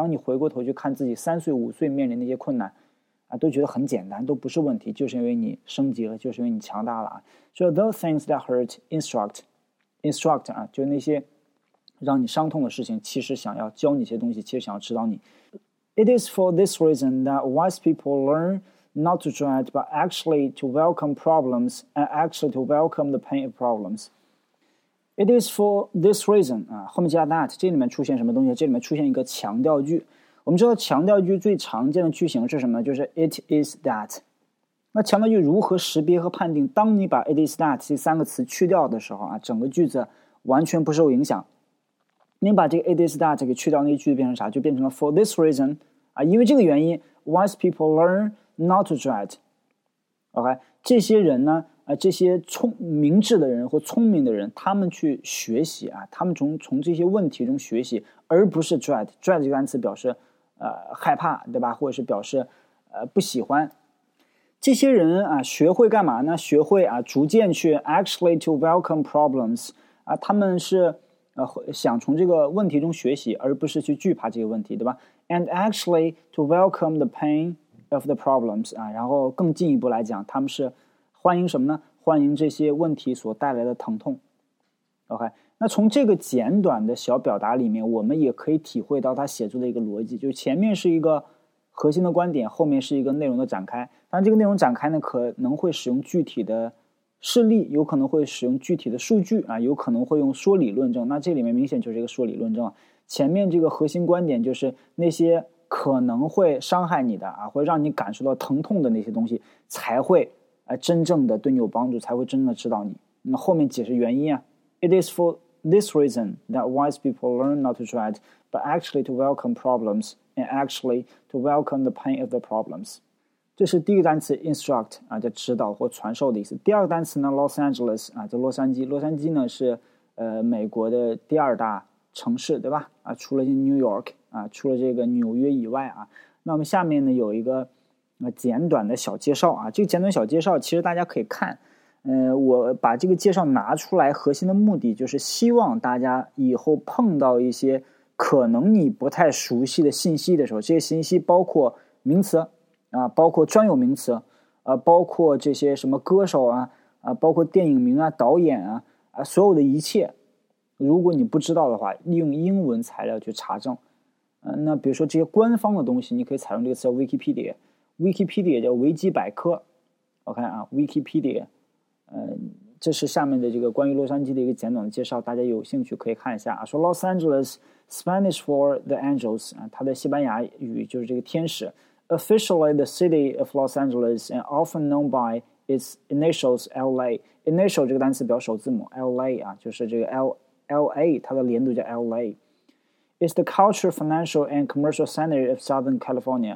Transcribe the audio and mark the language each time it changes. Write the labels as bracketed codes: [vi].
[zh] 当你回过头去看自己3岁5岁面临那些困难啊，都觉得很简单，都不是问题，就是因为你升级了，就是因为你强大了啊。所以 [en] those things that hurt instruct [zh] 啊，就那些让你伤痛的事情，其实想要教你一些东西，其实想要指导你。 [en] It is for this reason that wise people learn not to dread, but actually to welcome problems and actually to welcome the pain of problems. It is for this reason [zh] 啊，后面加 that， 这里面出现什么东西？这里面出现一个强调句。我们知道强调句最常见的句型是什么？就是 [en] it is that。 [zh] 那强调句如何识别和判定？当你把 [en] it is that [zh] 这三个词去掉的时候啊，整个句子完全不受影响。你把这个 [en] it is that [zh] 给去掉，那一句变成啥？就变成了 [en] for this reason [zh] 啊，因为这个原因 [en] wise people learn not to dread。 [zh] OK， 这些人呢啊，这些明智的人或聪明的人，他们去学习啊，他们从这些问题中学习，而不是 dread。 dread 这个单词表示害怕，对吧？或者是表示不喜欢。这些人啊学会干嘛呢？学会啊逐渐去 [en] actually to welcome problems [zh] 啊，他们是想从这个问题中学习，而不是去惧怕这个问题，对吧？ [en] and actually to welcome the pain of the problems [zh] 啊，然后更进一步来讲，他们是欢迎什么呢？欢迎这些问题所带来的疼痛。OK， 那从这个简短的小表达里面，我们也可以体会到他写作的一个逻辑，就是前面是一个核心的观点，后面是一个内容的展开。但这个内容展开呢，可能会使用具体的事例，有可能会使用具体的数据啊，有可能会用说理论证。那这里面明显就是一个说理论证。前面这个核心观点就是那些可能会伤害你的啊，会让你感受到疼痛的那些东西才会真正的对你有帮助，才会真正的指导你。那后面解释原因啊 [en] ，It is for this reason that wise people learn not to dread, but actually to welcome problems and actually to welcome the pain of the problems。 [zh] 这是第一个单词 instruct 啊，叫指导或传授的意思。第二个单词呢 ，Los Angeles 啊，叫洛杉矶。洛杉矶呢是美国的第二大城市，对吧？啊，除了 New York 啊，除了这个纽约以外啊，那我们下面呢有一个。那简短的小介绍啊，这个简短小介绍其实大家可以看，我把这个介绍拿出来核心的目的就是希望大家以后碰到一些可能你不太熟悉的信息的时候，这些信息包括名词啊，包括专有名词啊，包括这些什么歌手啊，包括电影名啊，导演啊，所有的一切如果你不知道的话，利用英文材料去查证。那比如说这些官方的东西，你可以采用这个词叫 Wikipedia， Wikipedia 叫维基百科。我看啊 ，Wikipedia， 这是下面的这个关于洛杉矶的一个简短的介绍，大家有兴趣可以看一下啊。说 [en] Los Angeles Spanish for the angels [zh] 啊，它的西班牙语就是这个天使。 [en] Officially, the city of Los Angeles, and often known by its initials LA. [zh] Initial 这个单词表首字母 LA 啊，就是这个 LA， 它的连读叫 LA。 [en] It's the cultural, financial, and commercial center of Southern California.